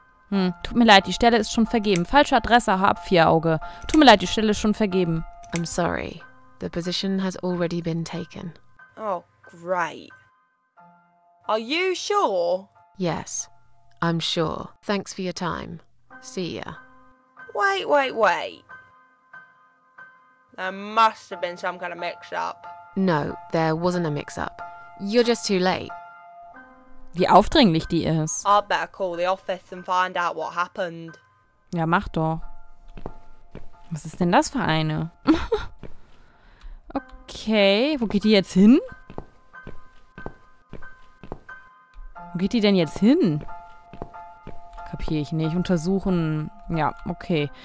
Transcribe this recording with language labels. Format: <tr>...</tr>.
<de>Hm, tut mir leid, die Stelle ist schon vergeben. Falsche Adresse, hab vier Auge. Tut mir leid, die Stelle ist schon vergeben.</de> <en>I'm sorry. The position has already been taken. Oh, great. Are you sure? Yes. I'm sure. Thanks for your time. See ya. Wait, wait, wait. There must have been some kind of mix-up. No, there wasn't a mix-up. You're just too late.</en> <de>Wie aufdringlich die ist.</de> <en>I'd better call the office and find out what happened.</en> <de>Ja, mach doch. Was ist denn das für eine? Okay, wo geht die jetzt hin? Wo geht die denn jetzt hin? Kapier ich nicht. Untersuchen. Ja, okay.</de>